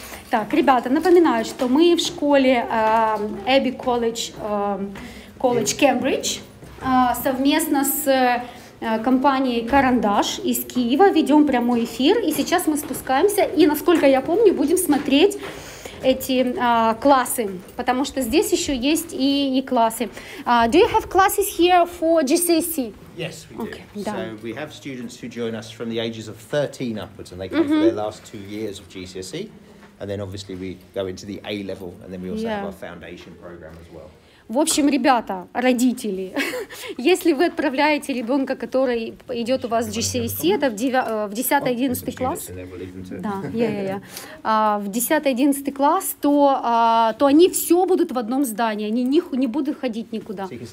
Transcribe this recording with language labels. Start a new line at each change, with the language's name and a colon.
Russian: Так, ребята, напоминаю, что мы в школе Abbey College, College Cambridge, совместно с компанией «Карандаш» из Киева ведем прямой эфир, и сейчас мы спускаемся, и, насколько я помню, будем смотреть эти классы, потому что здесь еще есть и классы.
English: Do you have classes here for GCSE? Yes, we do. Okay, so we have students who join us from the ages of 13 upwards, and they come for their last 2 years of GCSE, and then obviously we go into the A level, and then we also have our foundation program as well.
Russian: В общем, ребята, родители, если вы отправляете ребенка, который идет у вас в GCSE, это в 10-11 класс, в 10-11 класс, то они все будут в одном здании, они не будут ходить никуда.